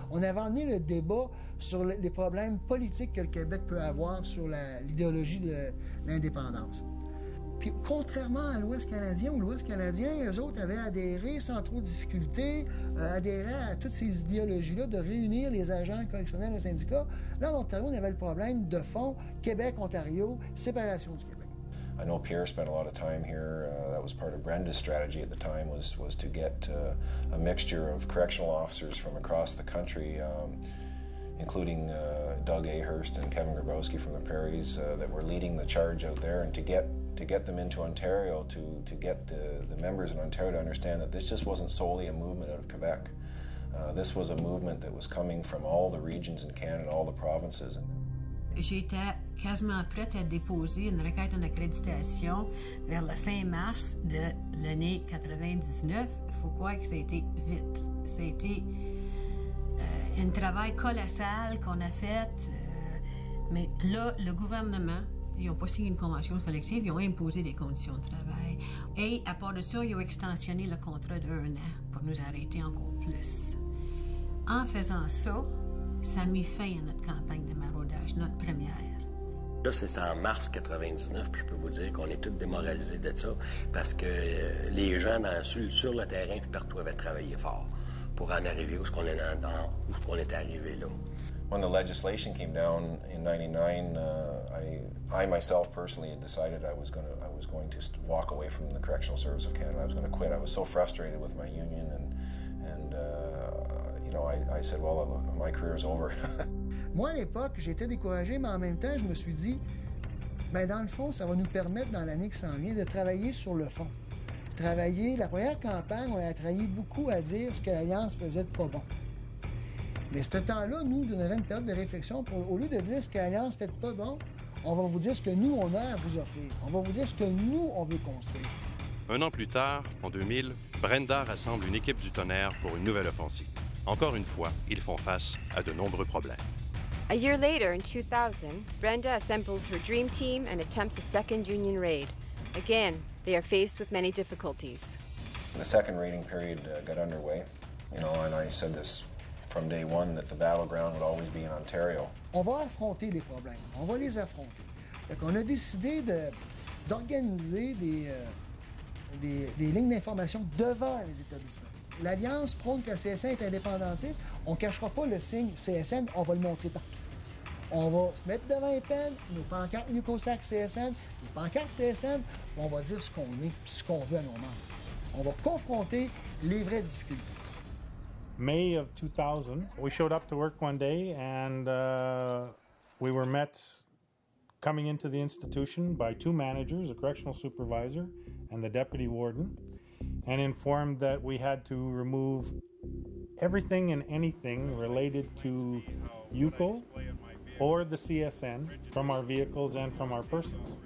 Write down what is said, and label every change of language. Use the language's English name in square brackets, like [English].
[French] On avait amené le débat sur les problèmes politiques que le Québec peut avoir sur l'idéologie de l'indépendance. Puis contrairement à l'Ouest canadien, où l'Ouest canadien, eux autres avaient adhéré sans trop de difficultés, adhéré à toutes ces idéologies-là de réunir les agents correctionnels au syndicat, là, en Ontario, on avait le problème de fond, Québec-Ontario, séparation du Québec. [English] I know Pierre spent a lot of time here. That was part of Brenda's strategy at the time, was to get a mixture of correctional officers from across the country, including Doug Ahurst and Kevin Grabowski from the Prairies, that were leading the charge out there, and to get them into Ontario, to get the members in Ontario to understand that this just wasn't solely a movement out of Quebec. This was a movement that was coming from all the regions in Canada, all the provinces. [French] J'étais quasiment prête à déposer une requête en accréditation vers la fin mars de l'année 99. Il faut croire que ça a été vite. Ça a été un travail colossal qu'on a fait. Mais là, le gouvernement, ils n'ont pas signé une convention collective, ils ont imposé des conditions de travail. Et à part de ça, ils ont extensionné le contrat d'un an pour nous arrêter encore plus. En faisant ça, ça a mis fin à notre campagne de maraudage, notre première. Là, c'était en mars 99, puis je peux vous dire qu'on est tous démoralisés de ça, parce que les gens sur le terrain puis partout avaient travaillé fort pour en arriver où ce qu'on est arrivé là. [English] When the legislation came down in 99, I myself personally had decided I was going to walk away from the Correctional Service of Canada. I was going to quit. I was so frustrated with my union, and I said, well, my career is over. [French] Moi, à l'époque, j'étais découragé, mais en même temps, je me suis dit, ben dans le fond, ça va nous permettre dans l'année qui s'en vient de travailler sur le fond. Travailler. La première campagne, on a travaillé beaucoup à dire ce que l'Alliance faisait de pas bon. Mais ce temps-là, nous, on donnerait une période de réflexion pour, au lieu de dire ce que l'Alliance fait pas bon, on va vous dire ce que nous, on a à vous offrir. On va vous dire ce que nous, on veut construire. Un an plus tard, en 2000, Brenda rassemble une équipe du tonnerre pour une nouvelle offensive. Encore une fois, ils font face à de nombreux problèmes. [English] A year later, in 2000, Brenda assembles her dream team and attempts a second union raid. Again, they are faced with many difficulties. The second raiding period got underway, and I said this from day one, that the battleground would always be in Ontario. [French] On va affronter des problèmes. On va les affronter. Donc on a décidé d'organiser des lignes d'information devant les établissements. L'Alliance prône que la CSN est indépendantiste. On ne cachera pas le signe CSN, on va le montrer partout. On va se mettre devant les peines, nos pancartes Nucosac CSN, nos pancartes CSN, on va dire ce qu'on est et ce qu'on veut à nos membres. On va confronter les vraies difficultés. [English] May of 2000, we showed up to work one day and we were met coming into the institution by two managers, a correctional supervisor and the deputy warden, and informed that we had to remove everything and anything related to UCO or the CSN from our vehicles and from our persons.